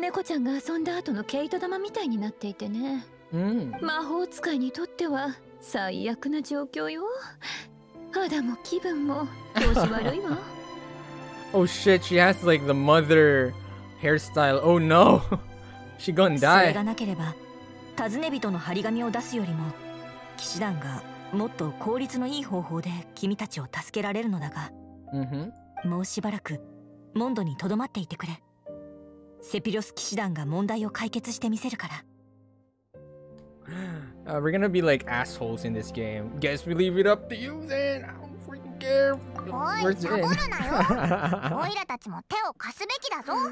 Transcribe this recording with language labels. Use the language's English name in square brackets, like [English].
[Japanese] フーマリューが目覚めてからずっと、このモンド周辺をうろついているの。ここ一帯に大きな混乱をもたらしているわ。おまけに今のモンドは、元素の流れと、血脈の循環が、子猫ちゃんが遊んだ後の毛糸玉みたいになっていてね。魔法使いにとっては最悪な状況よ。肌も気分も調子悪いわ。 [English] Oh shit, she has like the mother hairstyle. Oh no. She gonna die. [Japanese] それがなければ尋ね人の張り紙を出すよりも騎士団がもっと効率のいい方法で君たちを助けられるのだが。もうしばらくモンドにとどまっていてくれ。セピロス騎士団が問題を解決してみせるから。 [English] We're gonna be like assholes in this game. Guess we leave it up to you then. I don't freaking care. Where's Zin? [Japanese] おい、サボるなよ。オイラたちも手を貸すべきだぞ。